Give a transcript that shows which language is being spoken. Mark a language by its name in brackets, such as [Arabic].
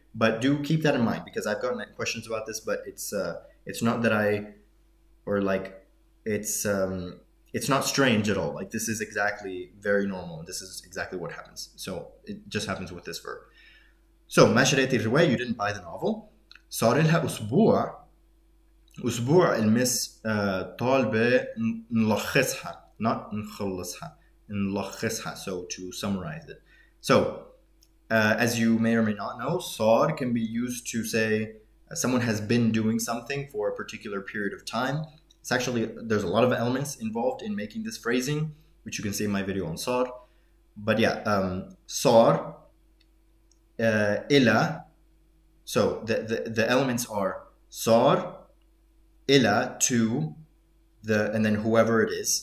[English] But do keep that in mind because I've gotten questions about this, but it's not that I... Or like, it's not strange at all. Like this is exactly very normal. This is exactly what happens. So it just happens with this verb. So [Arabic] ما شريتي الرواية, [English] you didn't buy the novel. [Arabic] صار لها أسبوع المس طالبة نلخصها, [English] not [Arabic] نخلصها, نلخصها. [English] So to summarize it. So as you may or may not know, صار can be used to say someone has been doing something for a particular period of time. It's actually, there's a lot of elements involved in making this phrasing, which you can see in my video on sar. But yeah, sar, ila, so the elements are sar, ila, to, the and then whoever it is.